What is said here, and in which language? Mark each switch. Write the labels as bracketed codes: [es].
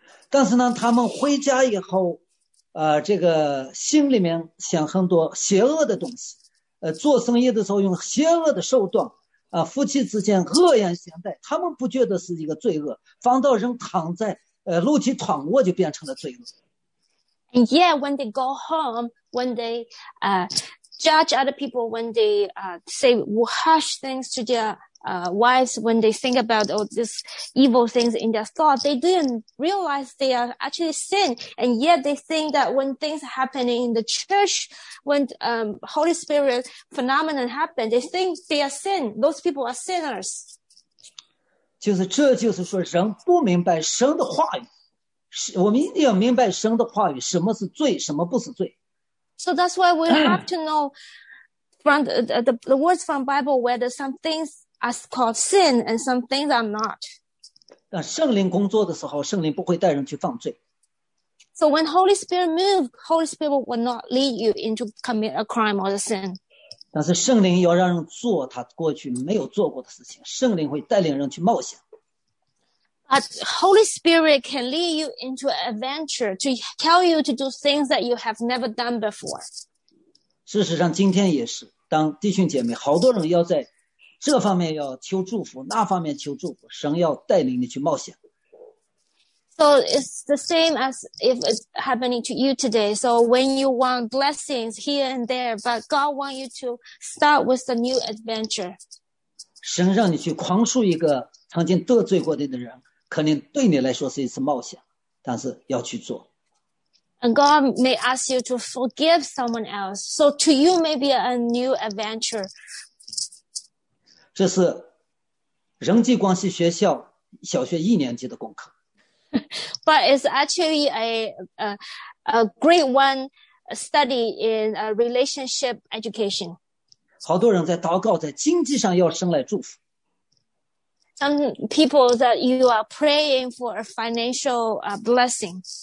[zh] 但是呢，他们回家以后，这个心里面想很多邪恶的东西，做生意的时候用邪恶的手段，夫妻之间恶言相待，他们不觉得是一个罪恶，反倒人躺在肉体躺卧就变成了罪恶。 [en] And yet, when they go home, when they judge other people, when they say harsh things to their wives, when they think about all these evil things in their thoughts, they didn't realize they are actually sin. And yet, they think that when things happen in the church, when Holy Spirit phenomenon happen, they think they are sin. Those people are sinners. [zh] 就是这就是说，人不明白神的话语。我们一定要明白神的话语，什么是罪，什么不是罪。 [en] So that's why we have to know from the words from Bible whether some things are called sin and some things are not. [zh] 那圣灵工作的时候，圣灵不会带人去犯罪。 [en] So when Holy Spirit moves, Holy Spirit will not lead you into commit a crime or a sin. [zh] 但是圣灵要让人做他过去没有做过的事情，圣灵会带领人去冒险。 [en] But Holy Spirit can lead you into an adventure to tell you to do things that you have never done before. [zh] 事实上，今天也是，当弟兄姐妹，好多人要在这方面要求祝福，那方面求祝福，神要带领你去冒险。 [en] So it's the same as if it's happening to you today. So when you want blessings here and there, but God wants you to start with a new adventure. [zh] 神让你去宽恕一个曾经得罪过的人。可能对你来说是一次冒险，但是要去做。 [en] And God may ask you to forgive someone else, so to you may be a new adventure. [zh] 这是人际关系学校小学一年级的功课。 [en] But it's actually a grade one study in a relationship education. [zh] 好多人在祷告，在经济上要生来祝福。 [en] some people that you are praying for a financial blessing.